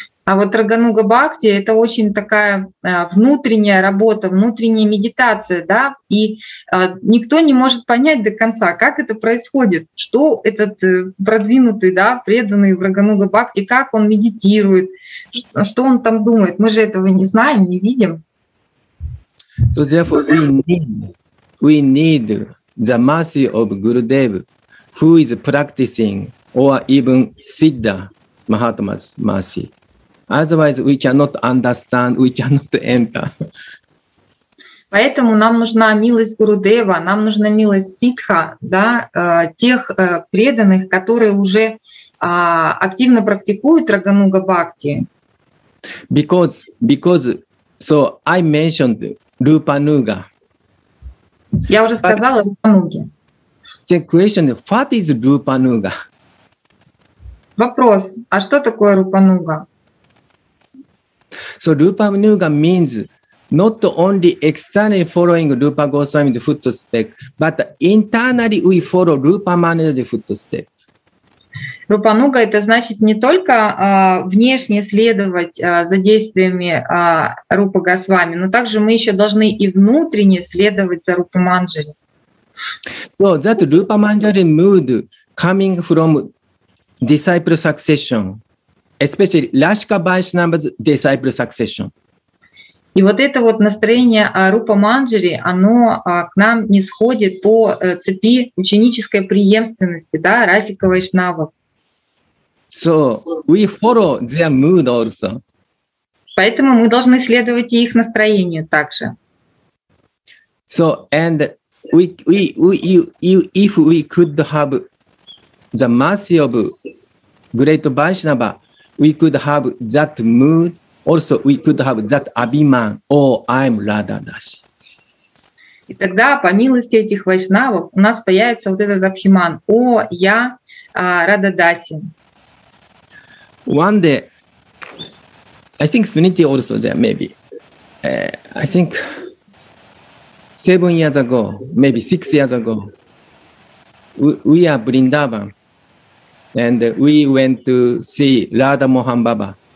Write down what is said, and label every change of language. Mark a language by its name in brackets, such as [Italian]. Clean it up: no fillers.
[Russian] А вот Рагануга Бхакти — это очень такая внутренняя работа, внутренняя медитация, да? И никто не может понять до конца, как это происходит, что этот продвинутый, да, преданный в Рагануга Бхакти, как он медитирует, что он там думает. Мы же этого не знаем, не видим. [English] So therefore, we need the mercy of Gurudev, who is practicing, or even Siddha Mahatma's mercy. Otherwise, we cannot understand, we cannot enter. [Russian] Поэтому нам нужна милость Гурудева, нам нужна милость Сиддха, да, тех преданных, которые уже активно практикуют Рагануга Бхакти. [English] Because, so I mentioned Rupanuga. [Russian] Я уже сказала Рупануге. [English] The question is, what is Rupanuga? [Russian] Вопрос, а что такое Рупануга? [English] So Rupanuga means not only externally following Rupa Goswami's footstep, but internally we follow Rupa Manager's footstep. [Russian] Рупануга — это значит не только внешне следовать за действиями Рупа Госвами, но также мы еще должны и внутренне следовать за Рупа Манджари. [English] So that Rupa Manjari mood coming from disciple succession, especially Lashka Vaishnava's disciple succession. [Russian] И вот это вот настроение Рупа Манджари, оно к нам нисходит по цепи ученической преемственности, да, Расика Вайшнава. [English] So we follow their mood also. [Russian] Поэтому мы должны следовать и их настроению также. [English] So and if we could have the mercy of great Vaishnava, we could have that mood. Also, we could have that abhiman, oh, I'm Radha Dasi. [Russian] И тогда, по милости этих вайшнавов, у нас появится вот этот абхиман, о, я Радха Даси. [English] One day, I think Suniti also there, maybe. I think 7 years ago, maybe 6 years ago, we are Vrindavan, and we went to see Radha Mohan Baba.